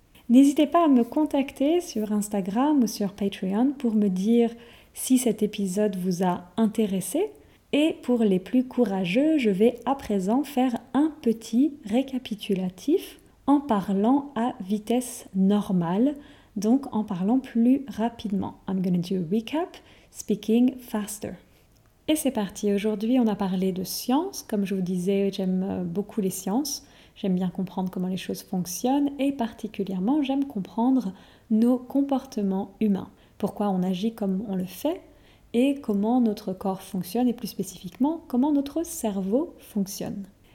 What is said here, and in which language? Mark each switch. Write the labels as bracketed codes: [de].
[fr] N'hésitez pas à me contacter sur Instagram ou sur Patreon pour me dire si cet épisode vous a intéressé. Et pour les plus courageux, je vais à présent faire un petit récapitulatif en parlant à vitesse normale, donc en parlant plus rapidement. [en] I'm gonna do a recap, speaking faster. [fr] Et c'est parti, aujourd'hui on a parlé de science, comme je vous disais j'aime beaucoup les sciences, j'aime bien comprendre comment les choses fonctionnent et particulièrement j'aime comprendre nos comportements humains, pourquoi on agit comme on le fait et comment notre corps fonctionne et plus spécifiquement comment notre cerveau fonctionne.